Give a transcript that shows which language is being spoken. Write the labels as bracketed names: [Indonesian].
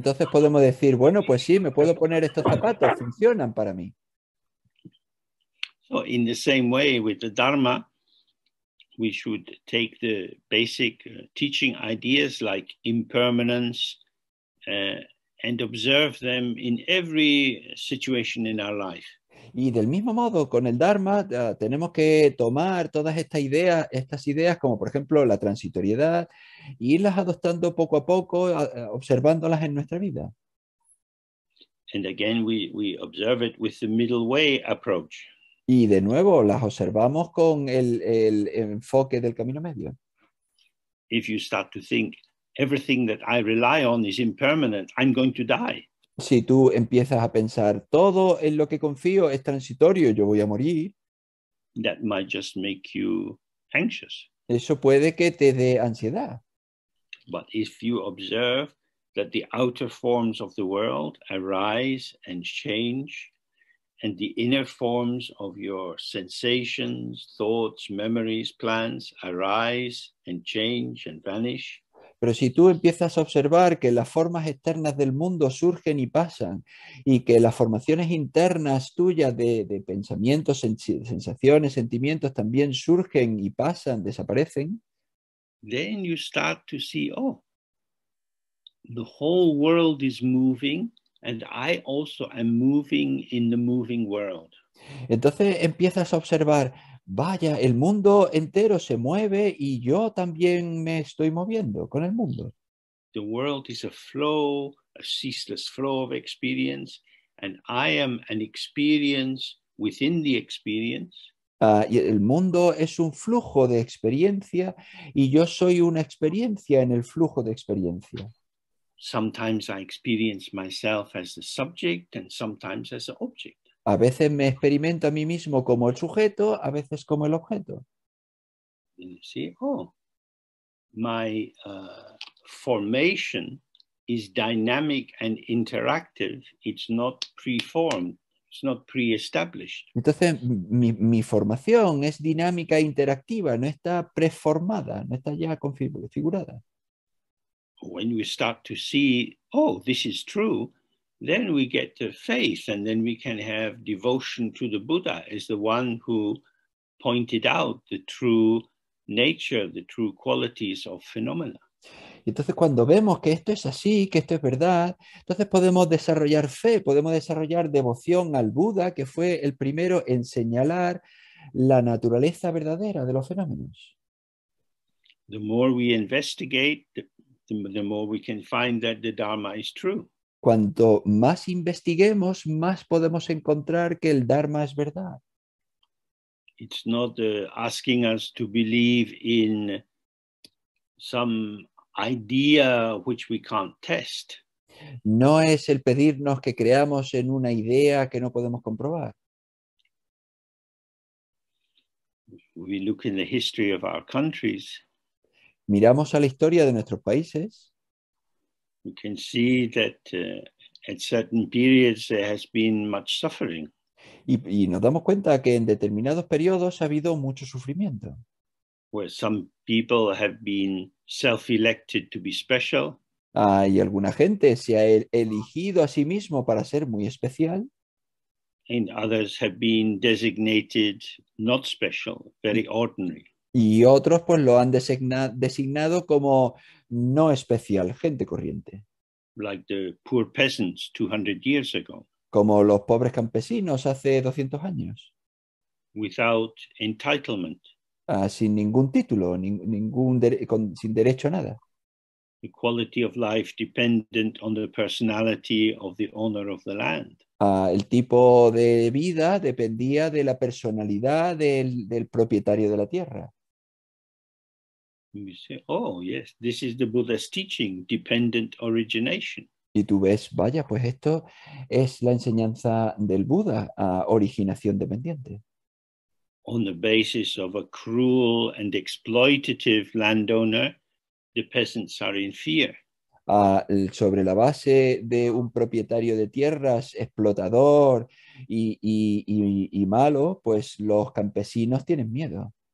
[Spanish] podemos decir, bueno, pues sí, me puedo poner estos zapatos, funcionan para mí. [English] So in the same way with the Dharma, we should take the basic teaching ideas like impermanence, and observe them in every situation in our life. [Spanish] Y del mismo modo, con el Dharma, tenemos que tomar todas estas ideas, como por ejemplo la transitoriedad, e irlas adoptando poco a poco, observándolas en nuestra vida. [English] And again, we observe it with the middle way approach. [Spanish] Y de nuevo, las observamos con el enfoque del camino medio. [English] If you start to think everything that I rely on is impermanent, I'm going to die. [Spanish] Si tú empiezas a pensar, todo en lo que confío es transitorio, yo voy a morir. [English] That might just make you anxious. [Spanish] Eso puede que te dé ansiedad. [English] But if you observe that the outer forms of the world arise and change, and the inner forms of your sensations, thoughts, memories, plans arise and change and vanish, [Spanish] Pero si tú empiezas a observar que las formas externas del mundo surgen y pasan, y que las formaciones internas tuyas de pensamientos, sensaciones, sentimientos también surgen y pasan, desaparecen. [English] then you start to see, oh, the whole world is moving, and I also am moving in the moving world. [Spanish] Entonces empiezas a observar, vaya, el mundo entero se mueve y yo también me estoy moviendo con el mundo. [English] The world is a flow, a ceaseless flow of experience, and I am an experience within the experience. [Spanish] Y el mundo es un flujo de experiencia y yo soy una experiencia en el flujo de experiencia. [English] Sometimes I experience myself as the subject and sometimes as the object. [Spanish] A veces me experimento a mí mismo como el sujeto, a veces como el objeto. [English] You see, oh, my formation is dynamic and interactive. It's not preformed, it's not pre-established. [Spanish] Entonces, mi formación es dinámica e interactiva, no está preformada, no está ya configurada. [English] When we start to see, oh, this is true, then we get the faith, and then we can have devotion to the Buddha as the one who pointed out the true nature, the true qualities of phenomena. [Spanish] Y entonces cuando vemos que esto es así, que esto es verdad, entonces podemos desarrollar fe, podemos desarrollar devoción al Buda, que fue el primero en señalar la naturaleza verdadera de los fenómenos. [English] The more we investigate, the more we can find that the Dharma is true. [Spanish] Cuanto más investiguemos, más podemos encontrar que el Dharma es verdad. [English] It's not asking us to believe in some idea which we can't test. [Spanish] No es el pedirnos que creamos en una idea que no podemos comprobar. [English] We look in the history of our countries. [Spanish] Miramos a la historia de nuestros países. [English] We can see that at certain periods there has been much suffering. [Spanish] Y nos damos cuenta que en determinados periodos ha habido mucho sufrimiento. [English] Where some people have been self-elected to be special. [Spanish] Hay alguna gente se ha elegido a sí mismo para ser muy especial. [English] And others have been designated not special, very ordinary. [Spanish] Y otros pues lo han designado como no especial, gente corriente. [English] Like the poor peasants 200 years ago. [Spanish] Como los pobres campesinos hace 200 años. [English] Without entitlement. [Spanish] Ah, sin ningún título, sin derecho a nada. [English] The quality of life dependent on the personality of the owner of the land. [Spanish] Ah, el tipo de vida dependía de la personalidad del propietario de la tierra. [English] You say, oh, yes, this is the Buddha's teaching, dependent origination. [Spanish] Y tú ves, vaya, pues esto es la enseñanza del Buda, originación dependiente. [English] On the basis of a cruel and exploitative landowner, the peasants are in fear. [Spanish] Sobre la base de un propietario de tierras explotador y malo, pues los campesinos tienen miedo.